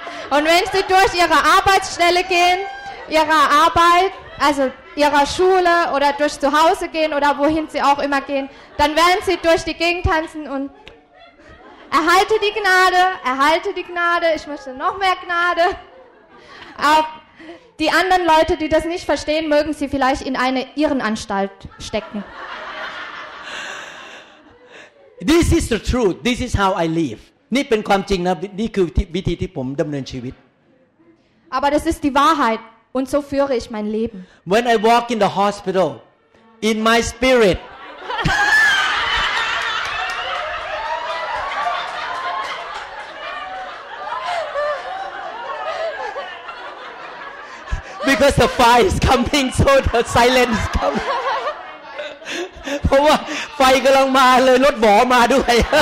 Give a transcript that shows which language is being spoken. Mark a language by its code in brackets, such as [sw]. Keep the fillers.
[de] Und wenn sie durch ihre Arbeitsstelle gehen, ihre Arbeit, also ihrer Schule oder durch Zuhause gehen oder wohin sie auch immer gehen, dann werden sie durch die Gegend tanzen und erhalte die Gnade, erhalte die Gnade, ich möchte noch mehr Gnade. Auf die anderen Leute, die das nicht verstehen, mögen sie vielleicht in eine Irrenanstalt stecken. [en] This is the truth. This is how I live. [th] นี่เป็นความจริงนะ นี่คือวิธีที่ผมดำเนินชีวิต [de] Aber das ist die Wahrheit und so führe ich mein Leben. [en] When I walk in the hospital, in my spirit, because the fire is coming, so the silence is coming. [th] เพราะว่าไฟกำลังมาเลยรถหมอมาด้วย